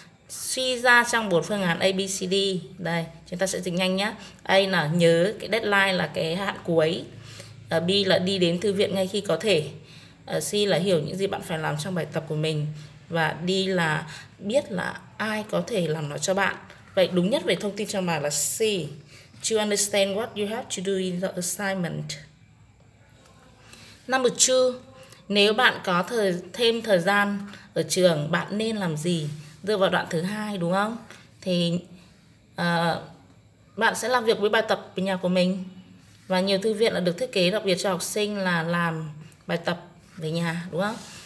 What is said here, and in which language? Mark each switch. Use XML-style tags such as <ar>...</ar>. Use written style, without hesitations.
<vi>Suy ra trong bốn phương án A, B, C, D. Đây, chúng ta sẽ dịch nhanh nhé. A là nhớ cái deadline là cái hạn cuối. B là đi đến thư viện ngay khi có thể. C là hiểu những gì bạn phải làm trong bài tập của mình. Và D là biết là ai có thể làm nó cho bạn. Vậy đúng nhất về thông tin trong bài là C.</vi> <en>To understand what you have to do in the assignment. Number two,</en> <vi>nếu bạn có thêm thời gian ở trường, bạn nên làm gì? Đưa vào đoạn thứ hai, đúng không? Thì bạn sẽ làm việc với bài tập ở nhà của mình. Và nhiều thư viện là được thiết kế đặc biệt cho học sinh là làm bài tập về nhà, đúng không?</vi>